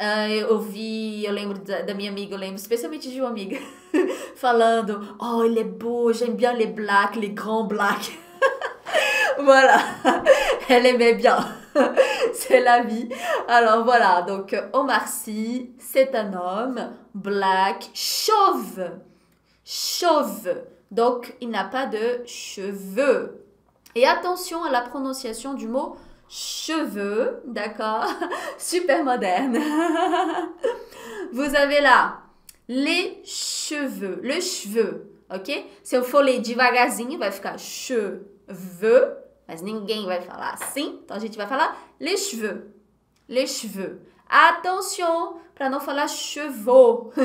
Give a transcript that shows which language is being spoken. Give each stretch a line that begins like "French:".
Portuguese: Eu lembro da minha amiga, eu lembro especialmente de uma amiga, falando: Oh, ele é beau,
French: j'aime bien le black, le grand black. Voilà, elle aimait bien. C'est la vie. Alors voilà, donc Omar Sy, c'est un homme black, chauve. Chauve. Donc il n'a pas de cheveux. Et attention à la prononciation du mot cheveux, d'accord? Super moderne. Vous avez là les cheveux, le cheveu, ok? Si on faut les divagazine, il va ficar cheveux.
Portuguese: Mas ninguém vai falar assim, então a gente vai falar
French: les cheveux. Les cheveux.
Portuguese: Attention, para não falar chevaux.